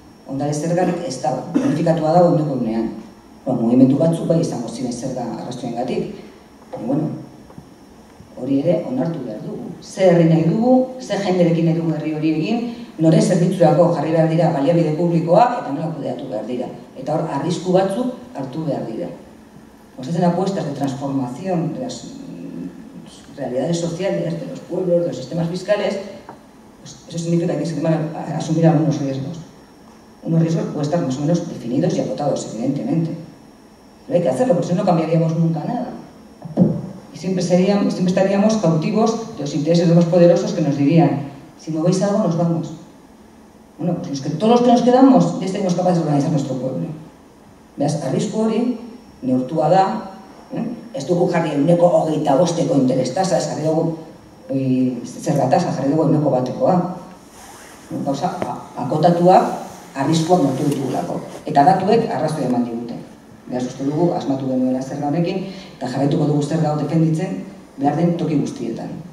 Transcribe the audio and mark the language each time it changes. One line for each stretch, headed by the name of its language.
Basque: Ondare zergarik ez dago, bonifikatua dago ondoko unean. Ba, mugimendu batzuk bai izango ziren zer da arrazoien gatik. E, bueno, hori ere onartu behar dugu. Ze herri nahi dugu, ze jenderekin nahi dugu herri hori egin, nore zerbitzurako jarri behar dira baliabide publikoa eta nola kudeatu behar dira. Eta hor, arrisku batzuk hartu behar dira.
Spanish: Osatzen apuestas de transformación de las realidades sociales, de los pueblos, de los sistemas fiscales, pues eso significa que se van a asumir algunos riesgos. Unos riesgos pueden estar más o menos definidos y acotados, evidentemente. Pero hay que hacerlo, porque si no cambiaríamos nunca nada. Y siempre estaríamos cautivos de los intereses de los poderosos que nos dirían, si movéis algo, nos vamos. Bueno, pues los que, todos los que nos quedamos, ya estaríamos capaces de organizar nuestro pueblo.
Basque: Veas, arrisku hori, neurtua da, ez dugu jarri eguneko hogeita bosteko interestaza, ez jarri dugu zergatasa, jarri dugu eguneko batekoa. Gauza, akotatuak, arriskuak nortu ditugulako. Eta datuek arrazoi eman digute. Beraz uste dugu, asmatu genuela zer da honekin, eta jarraituko dugu zer da defenditzen, behar den toki guztietan.